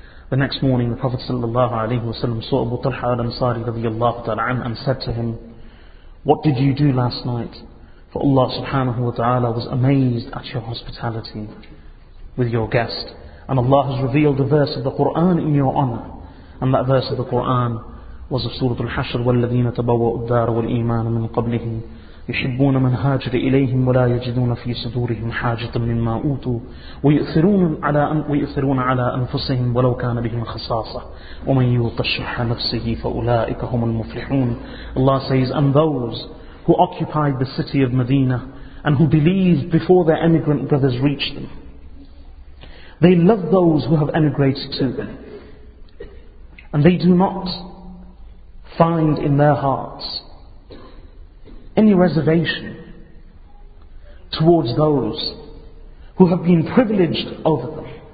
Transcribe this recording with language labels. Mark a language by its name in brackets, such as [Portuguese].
[English] The next morning, the Prophet sallallahu alaihi wasallam saw Abu Talha al-Ansari radiallahu ta'ala anhu and said to him, "What did you do last night? For Allah subhanahu wa ta'ala was amazed at your hospitality with your guest, and Allah has revealed a verse of the Quran in your honor." And that verse of the Quran was of Surah Al-Hashr, [Arabic] "وَالَّذِينَ تَبَوَّأُوا الدَّارَ وَالْإِيمَانَ مِنْ قَبْلِهِمْ يُحِبُّونَ مَنْ هَاجَرَ إِلَيْهِمْ وَلَا يَجِدُونَ فِي صُدُورِهِمْ حَاجَةً مِمَّا أُوتُوا وَيُؤْثِرُونَ عَلَى أَنفُسِهِمْ وَلَوْ كَانَ بِهِمْ خَصَاصَةٌ وَمَنْ يُوقَ شُحَّ نَفْسِهِ فَأُولَٰئِكَ هُمُ الْمُفْلِحُونَ." [English] Allah says, "And those who occupied the city of Medina and who believed before their emigrant brothers reached them, they love those who have emigrated to them, and they do not find in their hearts any reservation towards those who have been privileged over them."